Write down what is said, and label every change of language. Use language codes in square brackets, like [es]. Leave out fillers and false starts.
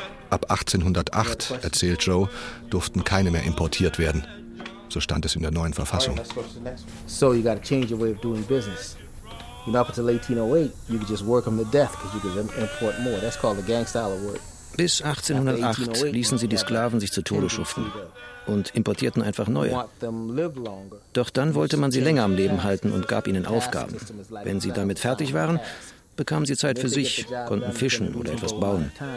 [de] Ab 1808, erzählt Joe, durften keine mehr importiert werden. So stand es in der neuen Verfassung. [en] So you got to change your way of doing business. You know, up until 1808, you could just work them to death because you could import more. That's called the gang style of work. [de] Bis 1808 ließen sie die Sklaven sich zu Tode schuften und importierten einfach neue. Doch dann wollte man sie länger am Leben halten und gab ihnen Aufgaben. Wenn sie damit fertig waren, bekamen sie Zeit für sich, konnten fischen oder etwas bauen.